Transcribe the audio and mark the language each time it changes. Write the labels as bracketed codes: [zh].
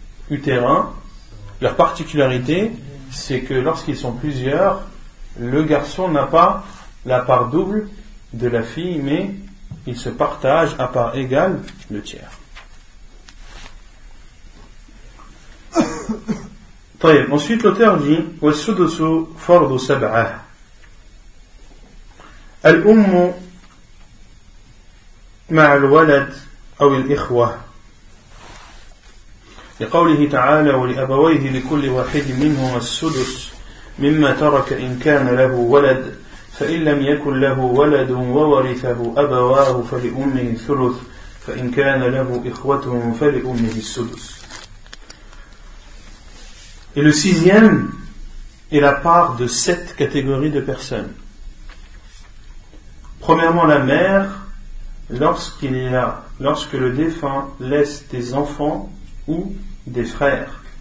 [fr] utérin, leur particularité, c'est que lorsqu'ils sont plusieurs, le garçon n'a pas la part double de la fille, mais ils se partagent à part égale le tiers. [ar] طيب, [fr] ensuite l'auteur dit [ar] والسدس فرض سبعة الأم مع الولد أو الإخوة لقوله تعالى ولأبويه لكل واحد منهما السدس مما ترك إن كان له ولد فإن لم يكن له ولد وورثه أبواه فلأمه الثلث فإن كان له إخوة فلأمه السدس. [fr] Et le sixième est la part de sept catégories de personnes. Premièrement, la mère, lorsque le défunt laisse des enfants ou des frères.